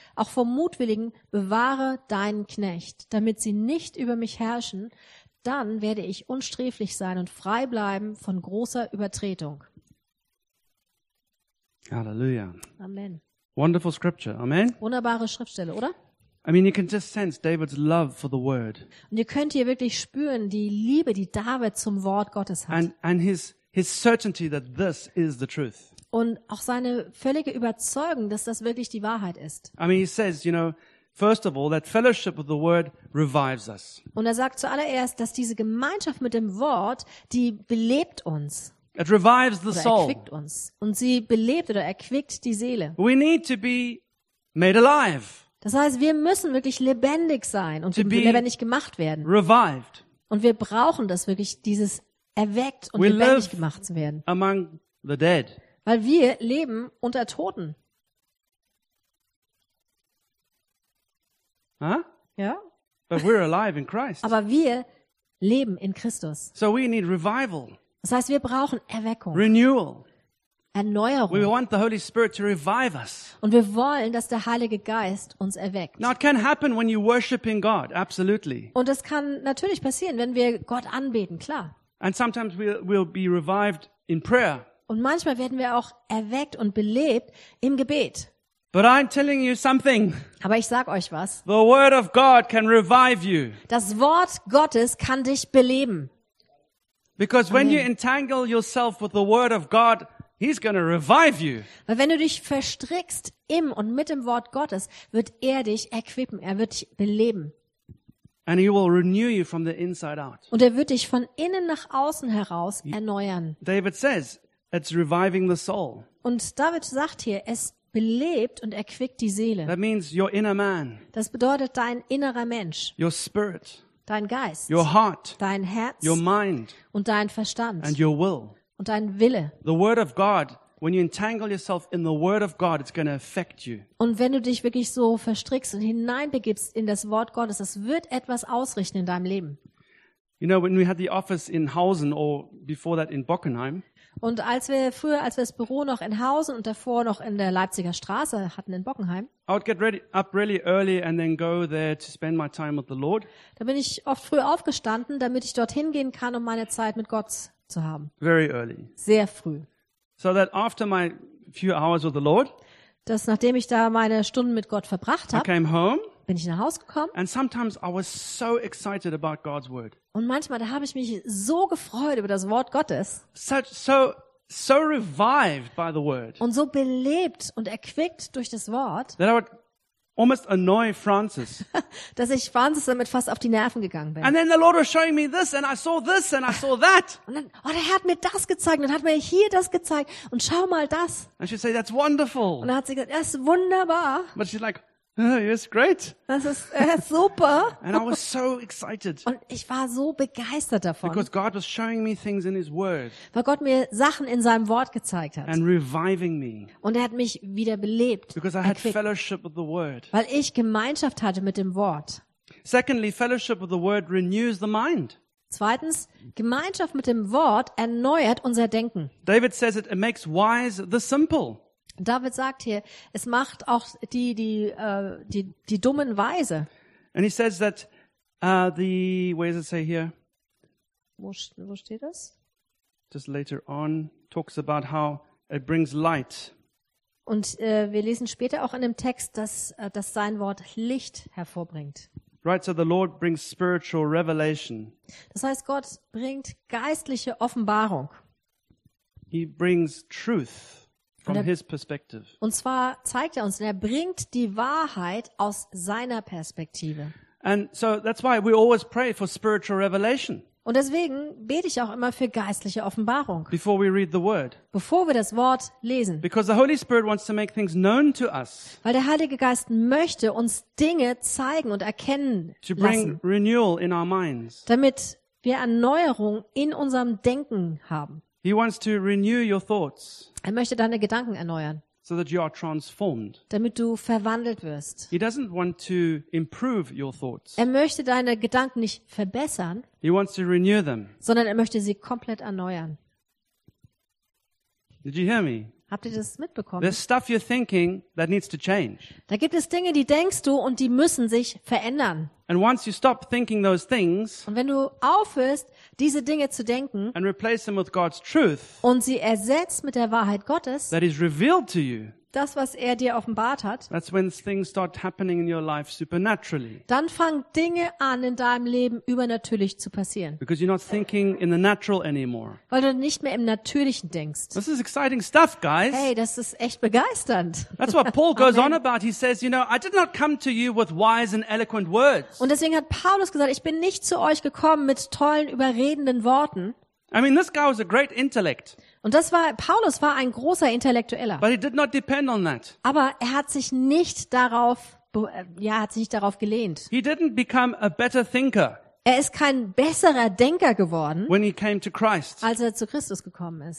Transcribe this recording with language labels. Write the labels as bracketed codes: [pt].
[de] Auch vom Mutwilligen bewahre deinen Knecht, damit sie nicht über mich herrschen. Dann werde ich unsträflich sein und frei bleiben von großer Übertretung. Halleluja. Amen. [en] Wonderful scripture, amen. [de] Wunderbare Schriftstelle, oder? [en] I mean, you can just sense David's love for the word. [de] Und ihr könnt hier wirklich spüren die Liebe, die David zum Wort Gottes hat. [en] And his certainty that this is the truth. [de] Und auch seine völlige Überzeugung, dass das wirklich die Wahrheit ist. [en] I mean, he says, you know, first of all, that fellowship with the word revives us. [de] Und sagt zuallererst, dass diese Gemeinschaft mit dem Wort, die belebt uns. [en] It revives the soul. [de] Erquickt uns. Und sie belebt oder erquickt die Seele. [en] We need to be made alive. [de] Das heißt, wir müssen wirklich lebendig sein und lebendig gemacht werden. [en] Revived. [de] Und wir brauchen das wirklich, dieses erweckt und [en] we [de] lebendig gemacht zu werden. [en] Among the dead. [de] Weil wir leben unter Toten. Huh? Ja? [en] But we're alive in Christ. [de] Aber wir leben in Christus. [en] So we need revival. [de] Das heißt, wir brauchen Erweckung. [en] Renewal. [de] Erneuerung. [en] We want the Holy Spirit to revive us. [de] Und wir wollen, dass der Heilige Geist uns erweckt. [en] Now it can happen when you're worshiping God, absolutely. [de] Und das kann natürlich passieren, wenn wir Gott anbeten, klar. [en] And sometimes we'll be revived in prayer. [de] Und manchmal werden wir auch erweckt und belebt im Gebet. [en] But I'm telling you something. [de] Aber ich sag euch was. [en] The word of God can revive you. [de] Das Wort Gottes kann dich beleben. [en] Because when you entangle yourself with the word of God, he's going to revive you. [de] Weil wenn du dich verstrickst im und mit dem Wort Gottes, wird er dich erquicken, er wird dich beleben. [en] And he will renew you from the inside out. [de] Und er wird dich von innen nach außen heraus erneuern. [en] David says, it's reviving the soul. [de] Und David sagt hier, es belebt und erquickt die Seele. [en] That means your inner man. [de] Das bedeutet dein innerer Mensch. [en] Your spirit. [de] Dein Geist, [en] your heart, [de] dein Herz, [en] your mind, [de] und dein Verstand, [en] and your will, [de] und dein Wille. [en] The word of God, when you entangle yourself in the word of God, it's going to affect you. [de] Und wenn du dich wirklich so verstrickst und hineinbegibst in das Wort Gottes, das wird etwas ausrichten in deinem Leben. [en] You know, when we had the office in Hausen or before that in Bockenheim. [de] Und als wir das Büro noch in Hausen und davor noch in der Leipziger Straße hatten in Bockenheim. [en] I would get ready up really early and then go there to spend my time with the Lord. [de] Da bin ich oft früh aufgestanden, damit ich dorthin gehen kann, um meine Zeit mit Gott zu haben. [en] Very early. [de] Sehr früh. [en] So that after my few hours with the Lord, [de] dass nachdem ich da meine Stunden mit Gott verbracht habe, [en] I came home. [de] Bin ich nach Hause gekommen? [en] And sometimes I was so excited about God's word. [de] Und manchmal da habe ich mich so gefreut über das Wort Gottes. [en] So revived by the word. [de] Und so belebt und erquickt durch das Wort. [en] That I would almost annoy Francis. [de] Dass ich Francis damit fast auf die Nerven gegangen bin. [en] And then the Lord was showing me this and I saw this and I saw that. [de] Und dann, oh, der Herr hat mir das gezeigt und hat mir hier das gezeigt und schau mal das. [en] And she said, that's wonderful. [de] Und dann hat sie gesagt, das ist wunderbar. [en] But she's like, oh, yes, great. [de] Das ist super. [en] And I was so excited. [de] Und ich war so begeistert davon. [en] Because God was showing me things in his word. [de] Weil Gott mir Sachen in seinem Wort gezeigt hat. [en] And reviving me. [de] Und er hat mich wieder belebt. [en] Because I had fellowship with the word. [de] Weil ich Gemeinschaft hatte mit dem Wort. [en] Secondly, fellowship with the word renews the mind. [de] Zweitens, Gemeinschaft mit dem Wort erneuert unser Denken. [en] David says it makes wise the simple. [de] David sagt hier, es macht auch die Dummen weise. [en] And he says that where does it say here? [de] Wo steht das? [en] Just later on talks about how it brings light. [de] Und wir lesen später auch in dem Text, dass sein Wort Licht hervorbringt. [en] Right, so the Lord brings spiritual revelation. [de] Das heißt, Gott bringt geistliche Offenbarung. [en] He brings truth from his perspective. [de] Und zwar zeigt uns, er bringt die Wahrheit aus seiner Perspektive. [en] And so that's why we always pray for spiritual revelation. [de] Und deswegen bete ich auch immer für geistliche Offenbarung. [en] Before we read the word. [de] Bevor wir das Wort lesen. [en] Because the Holy Spirit wants to make things known to us. [de] Weil der Heilige Geist möchte uns Dinge zeigen und erkennen lassen. [en] To bring renewal in our minds. [de] Damit wir Erneuerung in unserem Denken haben. [en] He wants to renew your thoughts. [de] Er möchte deine Gedanken erneuern. [en] So that you are transformed. [de] Damit du verwandelt wirst. [en] He doesn't want to improve your thoughts. [de] Er möchte deine Gedanken nicht verbessern. [en] He wants to renew them. [de] Sondern er möchte sie komplett erneuern. [en] Did you hear me? [de] Habt ihr das mitbekommen? [en] There's stuff you're thinking that needs to change. [de] Da gibt es Dinge, die denkst du und die müssen sich verändern. [en] And once you stop thinking those things, [de] und wenn du aufhörst, diese Dinge zu denken [en] and replace them with God's truth, [de] und sie ersetzt mit der Wahrheit Gottes, [en] that is revealed to you, [de] das, was er dir offenbart hat, [en] that's when things start happening in your life supernaturally. [de] Dann fangen Dinge an, in deinem Leben übernatürlich zu passieren. [en] Because you're not thinking in the natural anymore. [de] Weil du nicht mehr im Natürlichen denkst. [en] This is exciting stuff, guys. [de] Hey, das ist echt begeisternd. [en] That's what Paul goes on about. He says, you know, I did not come to you with wise and eloquent words. [de] Und deswegen hat Paulus gesagt, ich bin nicht zu euch gekommen mit tollen, überredenden Worten. [en] I mean, this guy was a great intellect. [de] Und das war, Paulus war ein großer Intellektueller. [en] But he did not depend on that. [de] Aber er hat sich nicht darauf, hat sich nicht darauf gelehnt. [en] He didn't become a better thinker. [de] Er ist kein besserer Denker geworden, [en] when he came to Christ. [de] Als er zu Christus gekommen ist.